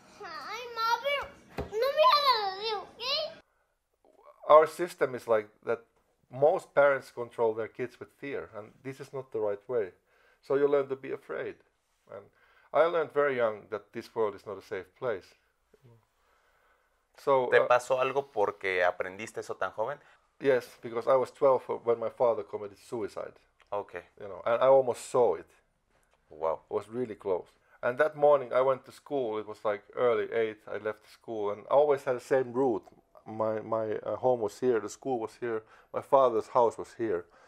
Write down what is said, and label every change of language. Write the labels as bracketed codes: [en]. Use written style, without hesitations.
[en] Hi, mother. [es] No me hagas así, okay? [en] Our system is like that. Most parents control their kids with fear, and this is not the right way. So you learn to be afraid. And I learned very young that this world is not a safe place. So. [es] ¿Te pasó algo porque aprendiste eso tan joven? [en] Yes, because I was 12 when my father committed suicide. Okay. You know, and I almost saw it. Wow. It was really close. And that morning I went to school. It was like early 8. I left school and I always had the same route. My home was here. The school was here. My father's house was here.